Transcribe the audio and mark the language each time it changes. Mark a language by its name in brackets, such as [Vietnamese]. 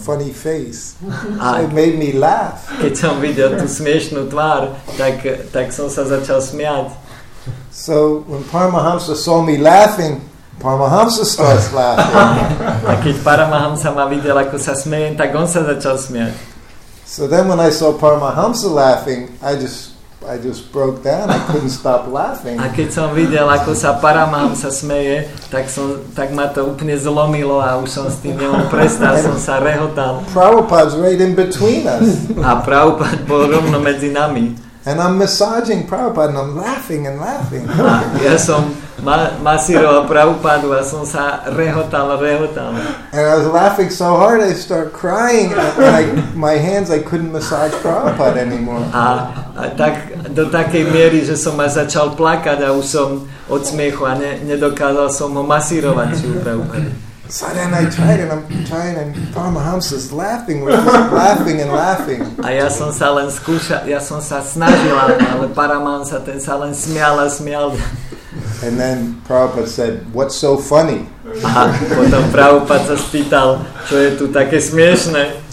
[English] Funny face. So it made me laugh. [Slovak] Keď som videl tú smiešnú tvár, tak som sa začal smiať. [English] So when Paramahamsa saw me laughing, Paramahamsa starts laughing. [Slovak] A keď Paramahamsa ma videl, ako sa smiem, tak on sa začal smiať. [English] So then when I saw Paramahamsa laughing, I just broke down. I couldn't stop laughing. [Slovak] A keď som videl, ako sa Paramahamsa smeje, tak ma to úplne zlomilo a už som s tým nemohol prestať, som sa rehotal. [English] Prabhupada's right in between us. [Slovak] A Prabhupada bol rovno medzi nami. [English] And I'm massaging Prabhupada and I'm laughing and laughing. [Slovak] A ja som masíroval Prabhupádu a som sa rehotal. [English] And I was laughing so hard I start crying and my hands I couldn't massage Prabhupada anymore. [Slovak] A tak do takej miery, že som ma začal plakať a už som od smiechu a nedokázal som ho masírovať či Prabhupádu. [English] So then I tried and I'm trying and Paramahamsa's laughing, we're just laughing and laughing. [Slovak] A ja som sa len skúšal, ja som sa snažil, ale Paramahamsa ten sa len smial a smial. [English] And then Prabhupada said, what's so funny? [Slovak] A potom Prabhupada sa spýtal, čo je tu také smiešné.